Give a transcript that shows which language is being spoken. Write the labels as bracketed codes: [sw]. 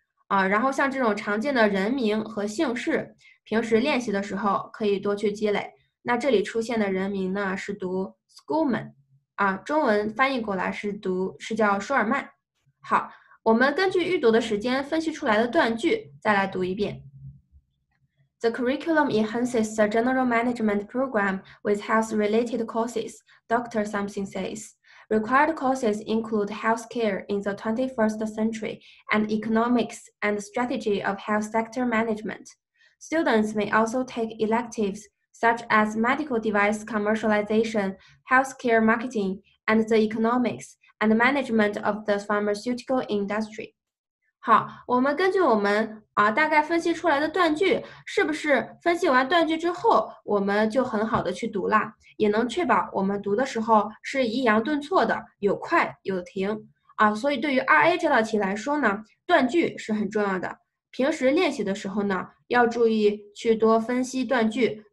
[zh] 然后像这种常见的人名和姓氏，平时练习的时候可以多去积累。那这里出现的人名呢是读 Schulman， 中文翻译过来是叫舒尔曼。好，我们根据预读的时间分析出来的断句再来读一遍。 [en] The curriculum enhances the general management program with health-related courses, Dr. Something says. Required courses include healthcare in the 21st century and economics and strategy of health sector management. Students may also take electives such as medical device commercialization, healthcare marketing, and the economics and management of the pharmaceutical industry. [zh] 好，我们根据我们大概分析出来的断句，是不是分析完断句之后，我们就很好的去读啦，也能确保我们读的时候是抑扬顿挫的，有快有停所以对于 2A 这道题来说呢，断句是很重要的。平时练习的时候呢，要注意去多分析断句，